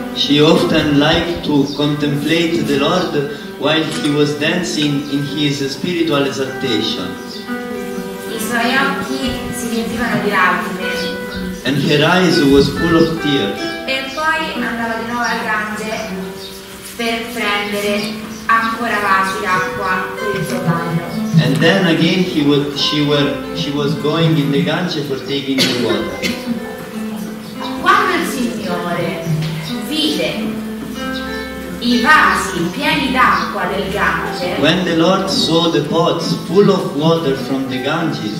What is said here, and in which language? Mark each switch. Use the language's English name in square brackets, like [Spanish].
[English] She often liked to contemplate the Lord while he was dancing in his spiritual exaltation. And her eyes was full of tears. [Italian] E poi andava di nuovo al grande per prendere ancora vasi d'acqua per il suo bagno. [English] And then again she was going in the Gange for taking the water. [Italian] Quando il Signore vide i vasi pieni d'acqua del Gange, [English] when the Lord saw the pots full of water from the Ganges,